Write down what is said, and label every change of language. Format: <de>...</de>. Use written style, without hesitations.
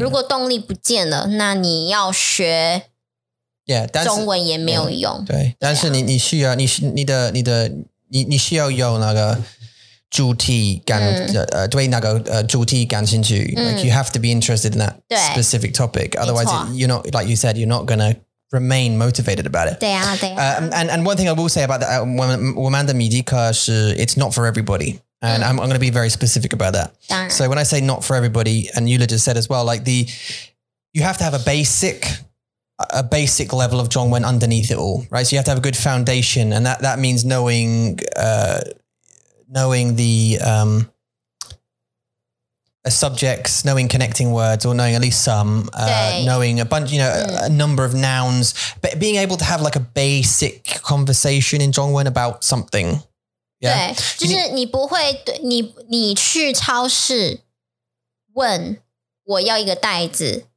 <zh>如果动力不见了那你要学 yeah, 中文也没有用</zh> <en>yeah,</en> <zh>对但是 你需要 你需要有那个主题感、对那个主题感兴趣、</zh> <en>like you have to be interested in that specific topic otherwise you're not like you said you're not gonna remain motivated about it</en> <zh>对啊对啊、</zh> <en>and one thing I will say about that</en> <zh>我们的米迪克是</zh> <en>it's not for everybody and、I'm gonna be very specific about that</en> <zh>当然</zh> <en>so when I say not for everybody and Yula just said as well like the you have to have a basic level of zhongwen underneath it all, right? So you have to have a good foundation and that means knowing the subjects, knowing connecting words or knowing at least some, knowing a bunch, you know, a number of nouns, but being able to have like a basic conversation in zhongwen about something. Yeah.</en> <zh>对就是你不会你去超市问我要一个袋子。</zh>